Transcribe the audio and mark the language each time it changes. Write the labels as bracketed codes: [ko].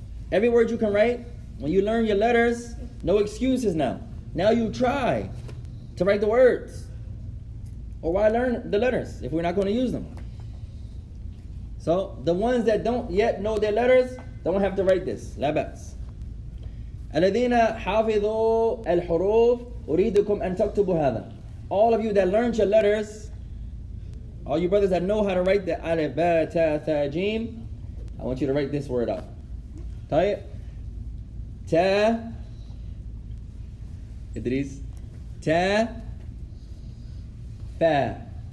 [en] Every word you can write, when you learn your letters, no excuses now. Now you try to write the words. Or why learn the letters if we're not going to use them? So the ones that don't yet know their letters don't have to write this. [ar] لا بأس. الذين حافظوا الحروف أريدكم أن تكتبوا هذا. [en] All of you that learned your letters, all you brothers that know how to write the alif, ba, ta, tha, jim, I want you to write this word out. [ar] طيب. Ta. Idris. Ta. Fa.